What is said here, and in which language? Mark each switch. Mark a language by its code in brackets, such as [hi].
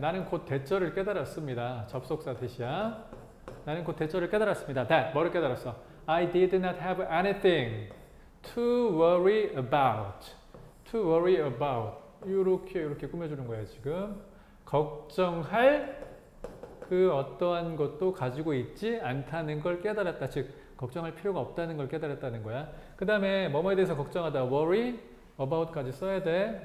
[ko] 나는 곧 대절을 깨달았습니다. 접속사 대시야. 나는 곧 대절을 깨달았습니다. That. 뭐를 깨달았어? [en] I did not have anything to worry about. To worry about. [ko] 이렇게 꾸며주는 거야, 지금. 걱정할 그 어떠한 것도 가지고 있지 않다는 걸 깨달았다. 즉, 걱정할 필요가 없다는 걸 깨달았다는 거야. 그 다음에, 뭐뭐에 대해서 걱정하다. [en] worry about [ko] 까지 써야 돼.